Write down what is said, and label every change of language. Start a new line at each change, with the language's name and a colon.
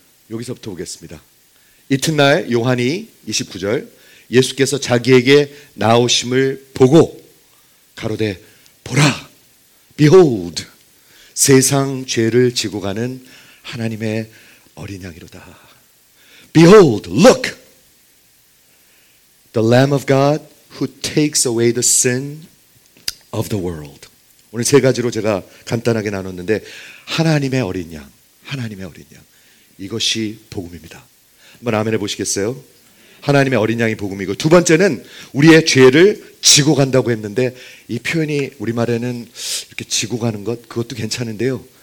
Korean: 여기서부터 보겠습니다. 이튿날 요한이 29절 예수께서 자기에게 나오심을 보고 가로되 보라.
English: Behold.
Korean: 세상 죄를 지고 가는 하나님의 어린 양이로다.
English: Behold, look! The Lamb of God who takes away the sin of the world.
Korean: 오늘 세 가지로 제가 간단하게 나눴는데 하나님의 어린 양, 하나님의 어린 양. 이것이 복음입니다. 한번 아멘 해보시겠어요? 하나님의 어린 양이 복음이고 두 번째는 우리의 죄를 지고 간다고 했는데 이 표현이 우리말에는 이렇게 지고 가는 것 그것도 괜찮은데요.